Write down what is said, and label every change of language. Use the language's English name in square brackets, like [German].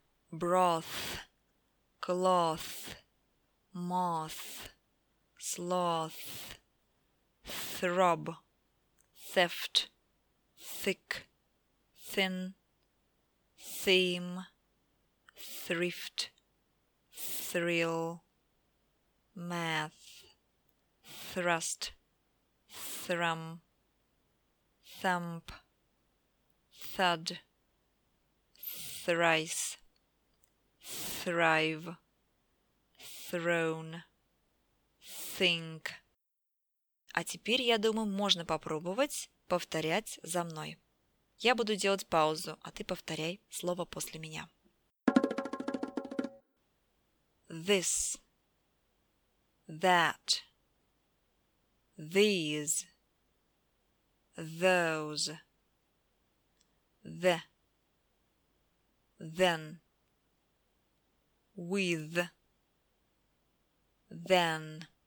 [English] broth, cloth, moth, sloth, throb, theft, thick, thin, theme, thrift, thrill, math, thrust, thrum, thump, thud, thrice, thrive, throne, think. [Russian] А теперь, я думаю, можно попробовать повторять за мной. Я буду делать паузу, а ты повторяй слово после меня. [English] This, that, these, those, the, then, with, then,